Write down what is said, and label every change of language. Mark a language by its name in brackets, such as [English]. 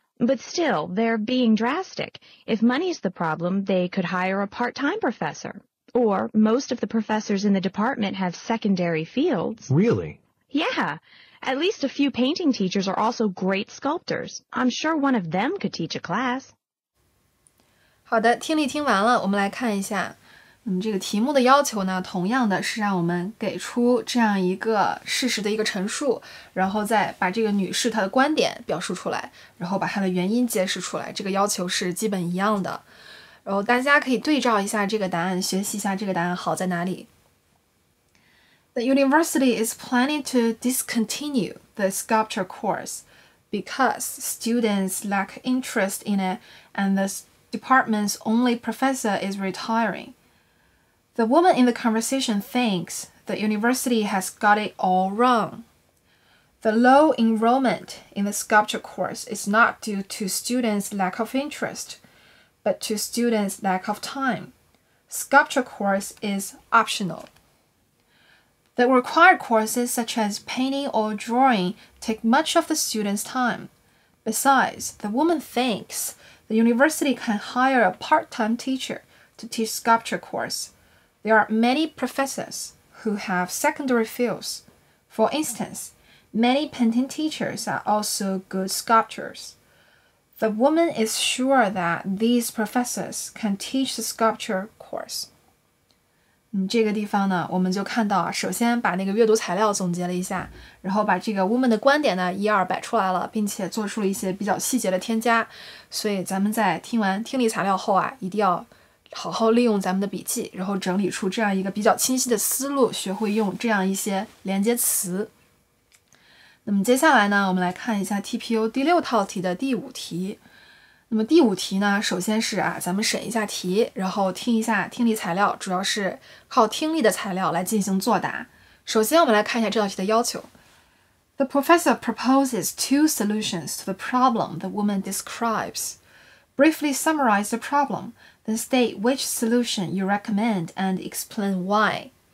[English] But still, they're being drastic. If money's the problem, they could hire a part-time professor. Or most of the professors in the department have secondary fields. Really? Yeah. At least a few painting teachers are also great sculptors. I'm sure one of them could teach a class. [Chinese] 好的，听力听完了，我们来看一下。这个题目的要求呢，同样的是让我们给出这样一个事实的一个陈述，然后再把这个女士她的观点表述出来，然后把她的原因揭示出来，这个要求是基本一样的。然后大家可以对照一下这个答案，学习一下这个答案好在哪里。 [English] The university is planning to discontinue the sculpture course because students lack interest in it and the department's only professor is retiring. The woman in the conversation thinks the university has got it all wrong. The low enrollment in the sculpture course is not due to students' lack of interest, but to students' lack of time. Sculpture course is optional. The required courses such as painting or drawing take much of the students' time. Besides, the woman thinks the university can hire a part-time teacher to teach sculpture course. There are many professors who have secondary fields. For instance, many painting teachers are also good sculptors. The woman is sure that these professors can teach the sculpture course. [Chinese] 这个地方呢，我们就看到，首先把那个阅读材料总结了一下，然后把这个 woman 的观点呢一二摆出来了，并且做出了一些比较细节的添加。所以咱们在听完听力材料后啊，一定要好好利用咱们的笔记，然后整理出这样一个比较清晰的思路，学会用这样一些连接词。那么接下来呢，我们来看一下 TPO 第六套题的第五题。那么第五题呢，首先是啊，咱们审一下题，然后听一下听力材料，主要是靠听力的材料来进行作答。首先我们来看一下这道题的要求。 [English] The professor proposes two solutions to the problem the woman describes. Briefly summarize the problem. Then state which solution you recommend and explain why.